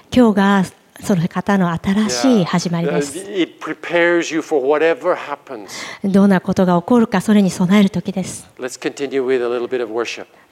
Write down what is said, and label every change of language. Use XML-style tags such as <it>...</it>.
<ja>今日がその方の新しい始まりです。</ja> <en>It prepares you for whatever happens.</en> <ja>どんなことが起こるかそれに備える時です。</ja> <en>Let's continue with a little bit of worship.</en>